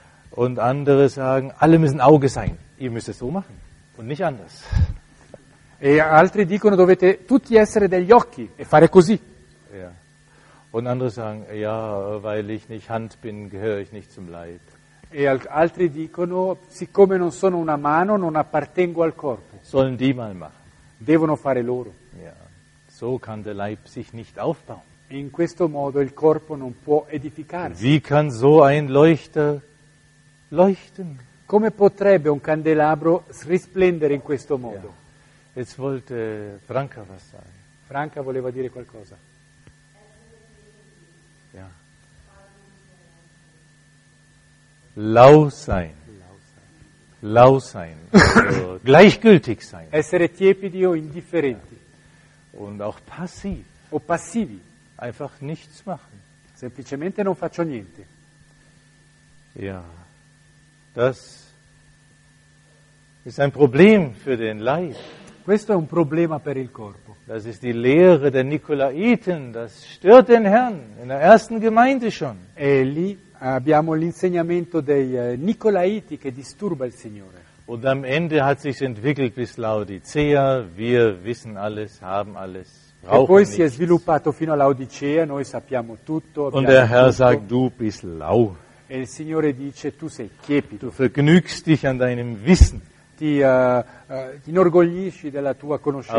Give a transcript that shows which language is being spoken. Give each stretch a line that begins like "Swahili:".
German: Und andere sagen, alle müssen Auge sein. Ihr müsst es so machen und nicht anders.
Italian: E altri dicono dovete tutti essere degli occhi e fare così.
German: Ja. Und andere sagen, ja, weil ich nicht Hand bin, gehöre ich nicht zum Leib.
Italian: E altri dicono, siccome non sono una mano, non appartengo al corpo.
German: Sollen die mal machen.
Italian: Devono fare loro.
German: Ja. So kann der Leib sich nicht aufbauen.
Italian: In questo modo il corpo non può edificarsi.
German: Wie kann so ein Leuchter leuchten?
Italian: Come potrebbe un candelabro risplendere in questo modo?
German: Ja. Jetzt wollte Franca was sagen.
Italian: Franca voleva dire qualcosa.
German: Ja. Lau sein. Lau sein. Also gleichgültig sein.
Italian: Essere tiepidi o indifferenti.
German: Ja. Und auch passiv.
Italian: O passivi.
German: Einfach nichts machen.
Italian: Semplicemente non faccio niente.
German: Ja. Das ist ein Problem für den Leib.
Italian: Questo è un problema per il corpo.
German: Das ist die Lehre der Nikolaiten. Das stört den Herrn in der ersten Gemeinde schon.
Italian: E lì abbiamo l'insegnamento dei Nicolaiti che disturba il Signore.
German: Und am Ende hat sich entwickelt bis Laodicea. Wir wissen alles, haben alles, brauchen nichts.
Italian: E poi si è sviluppato fino a Laodicea. Noi sappiamo tutto.
German: Und der Herr
Italian: tutto.
German: Sagt, du bist lau.
Italian: E il Signore dice, tu sei tiepido.
German: Du vergnügst dich an deinem Wissen.
Italian: Ti inorgoglisci della tua conoscenza.